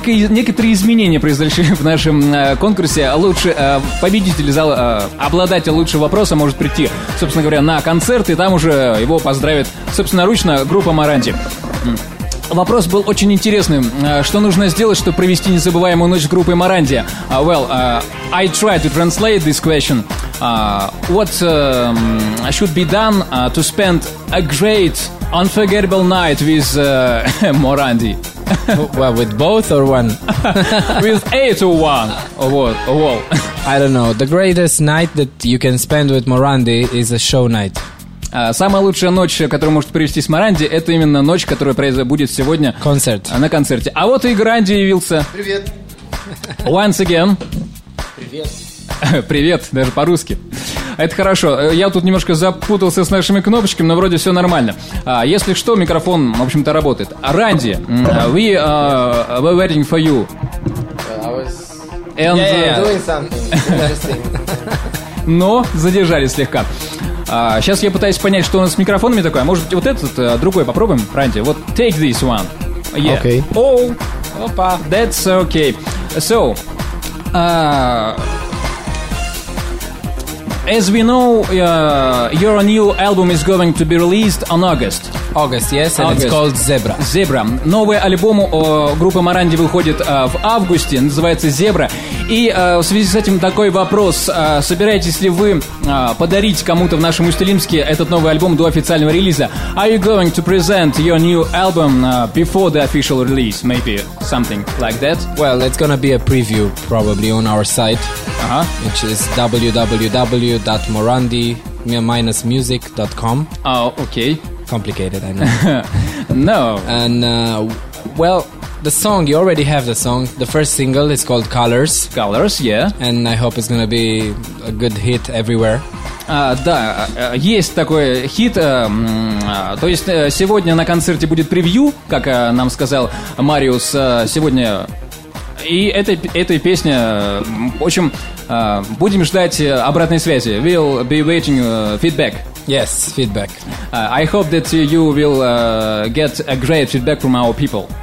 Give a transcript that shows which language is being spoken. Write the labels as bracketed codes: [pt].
[ru] Некоторые изменения произошли в нашем конкурсе. Победитель зала, обладатель лучшего вопроса может прийти, собственно говоря, на концерт, и там уже его поздравит, собственноручно, группа Маранди. Вопрос был очень интересным. Что нужно сделать, чтобы провести незабываемую ночь с группой Маранди? [en] Well, I try to translate this question. What should be done to spend a great, unforgettable night with Маранди? Well, with both or one? With eight or one. Or what? Or all. I don't know. The greatest night that you can spend with Маранди is a show night. [ru] Самая лучшая ночь, которую может провести с Маранди, это именно ночь, которая будет сегодня. Концерт. На концерте. А вот и Гранди явился. Привет. [en] Once again. [ru] Привет. Привет, даже по-русски. Это хорошо. Я тут немножко запутался с нашими кнопочками, но вроде все нормально. Если что, микрофон, в общем-то, работает. [en] Ранди, we're waiting for you. I was and, yeah. Doing something interesting. [ru] Но задержали слегка. Сейчас я пытаюсь понять, что у нас с микрофонами такое. Может быть, вот этот другой попробуем, Ранди. Вот, [en] take this one. Yeah. Okay. Oh, opa. That's okay. So, as we know, your new album is going to be released on August. August, yes, and August. It's called Zebra. Zebra. [ru] Новый альбом группы Маранди выходит в августе, называется Zebra. И в связи с этим такой вопрос. Собираетесь ли вы подарить кому-то в нашем Усть-Илимске этот новый альбом до официального релиза? [en] Are you going to present your new album before the official release? Maybe something like that? Well, it's going to be a preview probably on our site, uh-huh. Which is www.morandi-music.com. Oh, okay. Complicated, I know. No. And, well... The song, you already have the song. The first single is called Colors. Colors, yeah. And I hope it's gonna be a good hit everywhere. [ru] Да, есть такой хит. То есть сегодня на концерте будет превью, как нам сказал Мариус сегодня. И этой песня, в общем, будем ждать обратной связи. [en] We'll be waiting feedback. Yes, feedback. I hope that you will get a great feedback from our people.